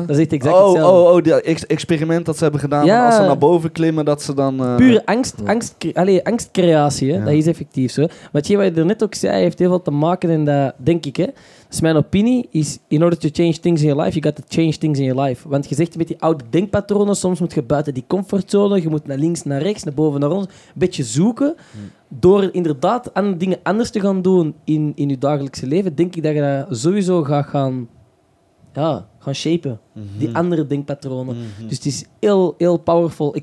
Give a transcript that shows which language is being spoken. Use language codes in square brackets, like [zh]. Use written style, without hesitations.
[nl] Dat is echt exact hetzelfde. Die experiment dat ze hebben gedaan. Ja. Als ze naar boven klimmen, dat ze dan... Puur angstcreatie, hè? Ja. Dat is effectief zo. Maar wat je er net ook zei, heeft heel veel te maken in dat, denk ik, hè? Dus mijn opinie is, [en] in order to change things in your life, you got to change things in your life. [nl] Want je zegt met die oude denkpatronen, soms moet je buiten die comfortzone, je moet naar links, naar rechts, naar boven, naar ons, een beetje zoeken. Door inderdaad dingen anders te gaan doen in je dagelijkse leven, denk ik dat je dat sowieso gaat gaan shapen. Mm-hmm. Die andere denkpatronen. Mm-hmm. Dus het is heel, heel powerful.